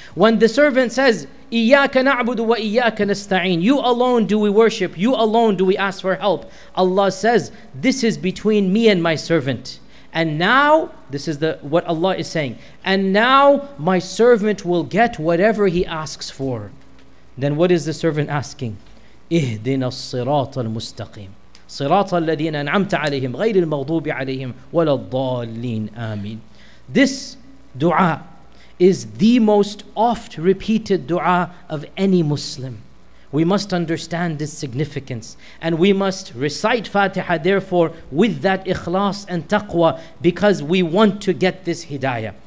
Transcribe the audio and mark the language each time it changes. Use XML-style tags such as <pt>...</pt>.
<en>When the servant says,</en> <ar>Iyaka na'budu wa iyaka nasta'een,</ar> <en>you alone do we worship, you alone do we ask for help, Allah says, this is between me and my servant. And now, this is what Allah is saying, and now my servant will get whatever he asks for. Then what is the servant asking?</en> <ar>اهدنا الصراط المستقيم صراط الذين أنعمت عليهم غير المغضوب عليهم ولا الضالين آمين.</ar> <en>This dua is the most oft repeated dua of any Muslim. We must understand this significance, and we must recite Fatiha therefore with that ikhlas and taqwa, because we want to get this hidayah.</en>